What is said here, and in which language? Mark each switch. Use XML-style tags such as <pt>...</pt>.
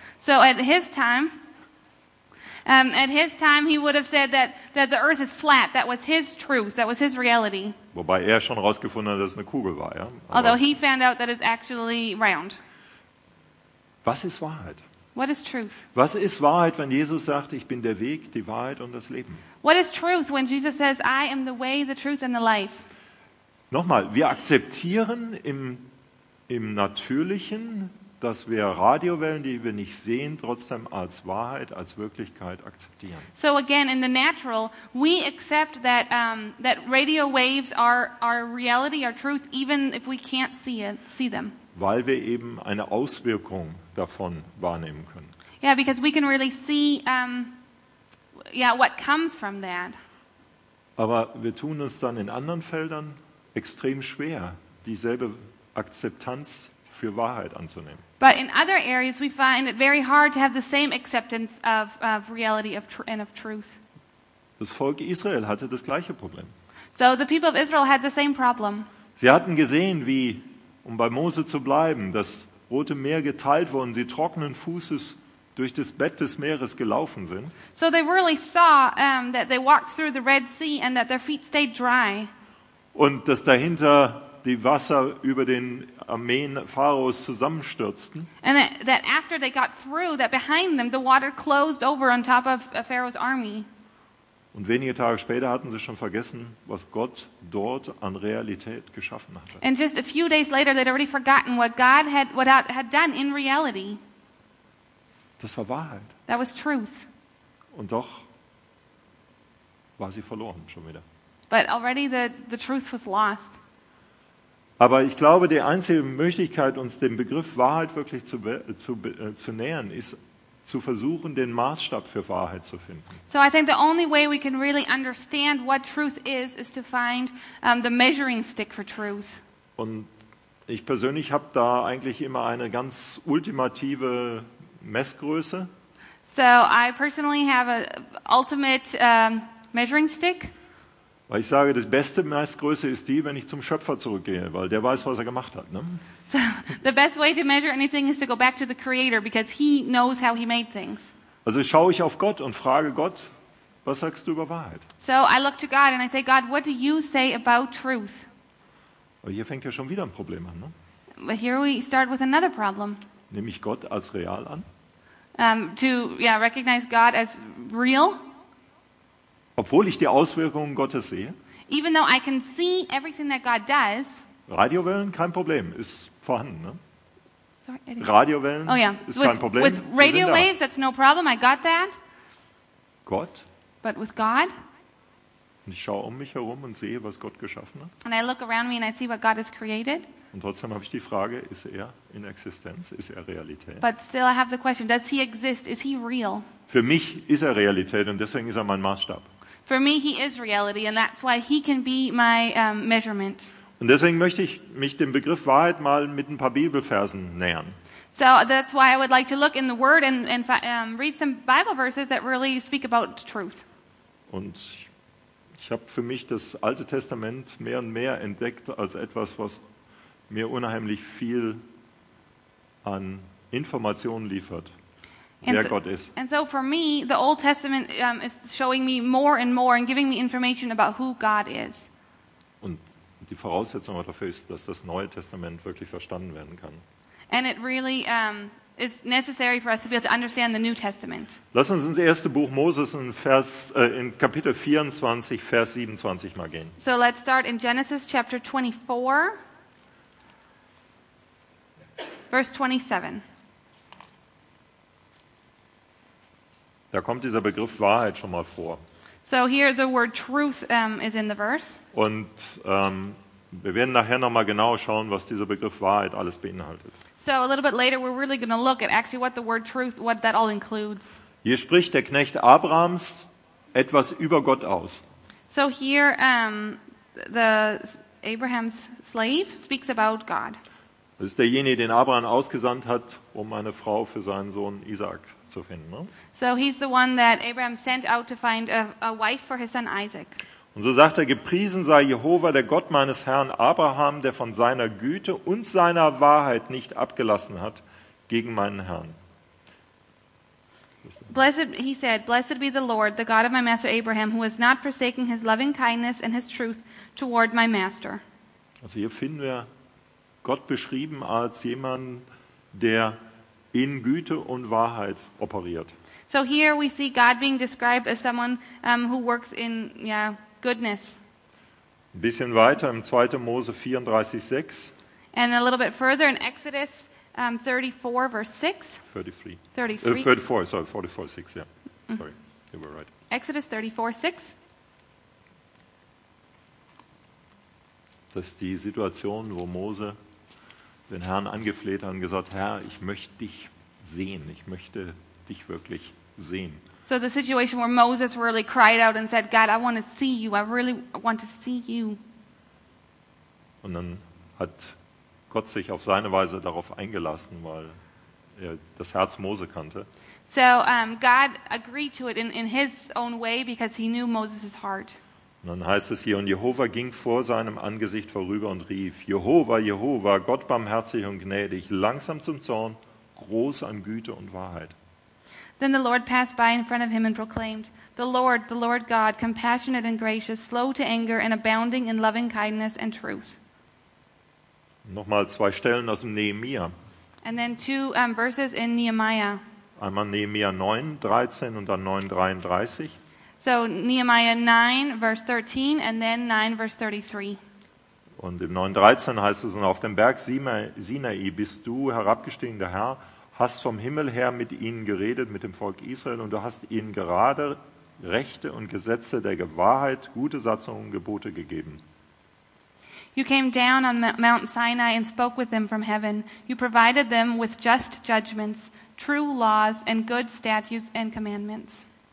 <en>So at his time he would have said that the earth is flat. That was his truth, that was his reality.</en> <de>Wobei er schon herausgefunden hat, dass es eine Kugel war, ja. Aber</de> <en>although he found out that it's actually round.</en> <de>Was ist Wahrheit?</de> <en>What is truth?</en> <de>Was ist Wahrheit, wenn Jesus sagt, ich bin der Weg, die Wahrheit und das Leben?</de> <en>What is truth when Jesus says, I am the way, the truth and the life?</en> <de>Nochmal, wir akzeptieren im Natürlichen, dass wir Radiowellen, die wir nicht sehen, trotzdem als Wahrheit, als Wirklichkeit akzeptieren.</de> <en>So again, in the natural, we accept that radio waves are our reality, our truth, even if we can't see them.</en> <de>Weil wir eben eine Auswirkung davon wahrnehmen können.</de> <en>Yeah, because we can really see what comes from that.</en> <de>Aber wir tun uns dann in anderen Feldern extrem schwer, dieselbe Akzeptanz für Wahrheit anzunehmen.</de> <en>But in other areas we find it very hard to have the same acceptance of reality and of truth.</en> <de>Das Volk Israel hatte das gleiche Problem.</de> <en>So the people of Israel had the same problem.</en> <de>Sie hatten gesehen, wie, um bei Mose zu bleiben, das Rote Meer geteilt wurde und sie trockenen Fußes durch das Bett des Meeres gelaufen sind.</de> <en>So they really saw that they walked through the Red Sea and that their feet stayed dry.</en> <de>Und dass dahinter die Wasser über den Armeen Pharaos zusammenstürzten.</de> <en>And that after they got through, that behind them the water closed over on top of Pharaoh's army.</en> <de>Und wenige Tage später hatten sie schon vergessen, was Gott dort an Realität geschaffen hatte.</de> <en>And just a few days later they'd already forgotten what God had done in reality.</en> <de>Das war Wahrheit.</de> <en>That was truth.</en> <de>Und doch war sie verloren schon wieder.</de> <en>But already the truth was lost.</en> <de>Aber ich glaube, die einzige Möglichkeit, uns dem Begriff Wahrheit wirklich zu nähern, ist zu versuchen, den Maßstab für Wahrheit zu finden.</de> <en>So I think the only way we can really understand what truth is to find the measuring stick for truth.</en> <de>Und ich persönlich habe da eigentlich immer eine ganz ultimative Messgröße.</de> <en>So I personally have a ultimate measuring stick.</en> <de>Weil ich sage, die beste Messgröße ist die, wenn ich zum Schöpfer zurückgehe, weil der weiß, was er gemacht hat, ne?</de> <en>So, the best way to measure anything is to go back to the Creator, because he knows how he made things.</en> <de>Also schaue ich auf Gott und frage Gott, was sagst du über Wahrheit?</de> <en>So I look to God and I say, God, what do you say about truth?</en> <de>Aber hier fängt ja schon wieder ein Problem an, ne?</de> <en>But here we start with another problem.</en> <de>Nehme ich Gott als real an?</de> <en>Recognize God as real?</en> <de>Obwohl ich die Auswirkungen Gottes sehe.</de> <en>Even though I can see everything that God does.</en> <de>Radiowellen, kein Problem, ist vorhanden. Ne?</de> <en>Sorry,</en> <de>Radiowellen,</de> <en>oh, yeah.</en> <de>Ist kein Problem.</de> <en>With radio waves, that's no problem. I got that.</en> <de>Gott.</de> <en>But with God.</en> <de>Und ich schaue um mich herum und sehe, was Gott geschaffen hat.</de> <en>And I look around me and I see what God has created.</en> <de>Und trotzdem habe ich die Frage: Ist er in Existenz? Ist er Realität?</de> <en>But still, I have the question: Does he exist? Is he real?</en> <de>Für mich ist er Realität und deswegen ist er mein Maßstab.</de> <en>For me he is reality and that's why he can be my measurement.</en> <de>Und deswegen möchte ich mich dem Begriff Wahrheit mal mit ein paar Bibelversen nähern.</de> <en>So that's why I would like to look in the word and read some Bible verses that really speak about truth.</en> <de>Und ich habe für mich das Alte Testament mehr und mehr entdeckt als etwas, was mir unheimlich viel an Informationen liefert.</de> <en>And so for me, the Old Testament is showing me more and more and giving me information about who God is.</en> <de>Und die Voraussetzung dafür ist, dass das Neue Testament wirklich verstanden werden kann.</de> <en>And it really is necessary for us to be able to understand the New Testament.</en> <de>Lass uns ins erste Buch Moses in Kapitel 24, Vers 27 mal gehen.</de> <en>So let's start in Genesis chapter 24, verse 27.</en> <de>Da kommt dieser Begriff Wahrheit schon mal vor.</de> <en>So here the word truth is in the verse.</en> <de>Und Wir werden nachher noch mal genau schauen, was dieser Begriff Wahrheit alles beinhaltet.</de> <en>So a little bit later we're really going to look at actually what the word truth, what that all includes.</en> <de>Hier spricht der Knecht Abrahams etwas über Gott aus.</de> <en>So here the Abraham's slave speaks about God.</en> <de>Das ist derjenige, den Abraham ausgesandt hat, um eine Frau für seinen Sohn Isaac zu finden. Ne?</de> <en>So he's the one that Abraham sent out to find a wife for his son Isaac.</en> <de>Und so sagt er, gepriesen sei Jehova, der Gott meines Herrn Abraham, der von seiner Güte und seiner Wahrheit nicht abgelassen hat gegen meinen Herrn.</de> <en>Blessed, he said, blessed be the Lord, the God of my master Abraham, who has not forsaken his loving kindness and his truth toward my master.</en> <de>Also hier finden wir Gott beschrieben als jemand, der in Güte und Wahrheit operiert.</de> <en>So here we see God being described as someone who works in, yeah, goodness.</en> <de>Ein bisschen weiter im 2. Mose 34:6.</de> <en>And a little bit further in Exodus 34 verse 6. 44:6, yeah. Sorry. You were right. Exodus 34:6.</en> <de>Das ist die Situation, wo Mose den Herrn angefleht hat und gesagt, Herr, ich möchte dich sehen. Ich möchte dich wirklich sehen.</de> <en>So the situation where Moses really cried out and said, God, I want to see you. I really want to see you.</en> <de>Und dann hat Gott sich auf seine Weise darauf eingelassen, weil er das Herz Mose kannte.</de> <en>So God agreed to it in his own way because he knew Moses' heart.</en> <de>Und dann heißt es hier, und Jehova ging vor seinem Angesicht vorüber und rief, Jehova, Jehova, Gott barmherzig und gnädig, langsam zum Zorn, groß an Güte und Wahrheit.</de> <en>Then the Lord passed by in front of him and proclaimed, the Lord God, compassionate and gracious, slow to anger and abounding in loving kindness and truth.</en> <de>Nochmal zwei Stellen aus dem Nehemiah.</de> <en>And then two verses in Nehemiah.</en> <de>Einmal Nehemiah 9, 13 und dann 9, 33.</de> <en>So Nehemiah 9, verse 13 and then 9, verse 33.</en> <de>Und im 9, 13 heißt es, und auf dem Berg Sinai bist du herabgestiegen, der Herr, hast vom Himmel her mit ihnen geredet, mit dem Volk Israel, und du hast ihnen gerade Rechte und Gesetze der Wahrheit, gute Satzungen und Gebote gegeben.</de> <en>You came down on Mount Sinai and spoke with them from heaven. You provided them with just judgments, true laws and good statutes and commandments.</en>